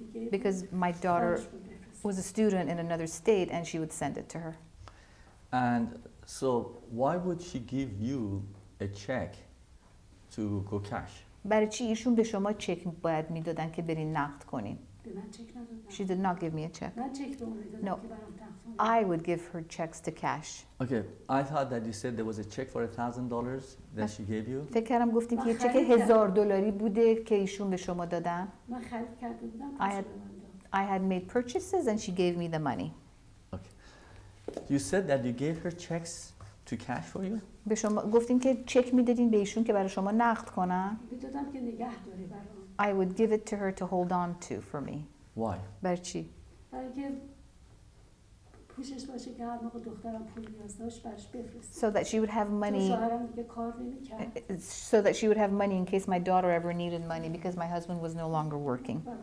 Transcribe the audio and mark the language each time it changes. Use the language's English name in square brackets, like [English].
[English] Because my daughter was a student in another state and she would send it to her. And so why would she give you a check to go cash? [Persian] برای چی ایشون به شما چک باید میدادن که برین نقد کنین؟ [English] She did not give me a check. No, I would give her checks to cash. Okay, I thought that you said there was a check for $1,000 that she gave you. [Persian] فکر کردم گفتیم که چک $1,000 بوده که ایشون به شما دادن. [English] I had made purchases and she gave me the money. Okay, you said that you gave her checks to cash for you. [Persian] به شما گفتیم که چک میدادین به ایشون که برای شما نقد کنن. میدادم که نگه داری برام. [English] I would give it to her to hold on to for me. Why? [Persian] برای چی؟ برای پوشش باشه که هر موقع دخترم پول نیاز داشت برش بفرسته. [English] So that she would have money. [Persian] شوهرم دیگه کار نمی‌کرد. [English] So that she would have money in case my daughter ever needed money because my husband was no longer working.